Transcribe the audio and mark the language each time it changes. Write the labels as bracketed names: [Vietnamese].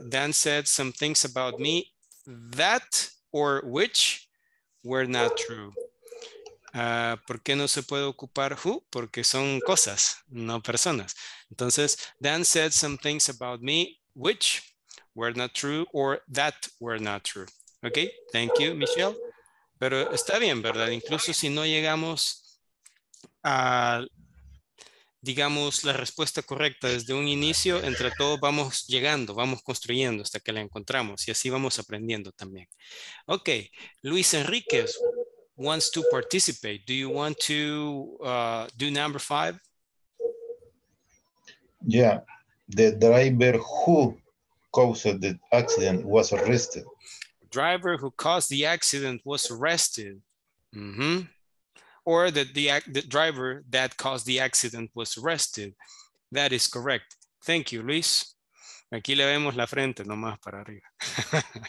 [English] Dan said some things about me that or which were not true. [Spanish] ¿Por qué no se puede ocupar who? Porque son cosas, no personas. [English] Entonces, Dan said some things about me which were not true or that were not true. Okay, thank you, Michelle. [Spanish] Pero está bien, ¿verdad? Incluso si no llegamos a, digamos, la respuesta correcta desde un inicio, entre todos vamos llegando, vamos construyendo hasta que la encontramos y así vamos aprendiendo también. [English] Okay, Luis Enriquez wants to participate. Do you want to do number five? Yeah, the driver who caused the accident was arrested. Driver who caused the accident was arrested. Mm-hmm. Or that the driver that caused the accident was arrested. That is correct. Thank you, Luis. [Spanish] Aquí le vemos la frente, nomás para arriba.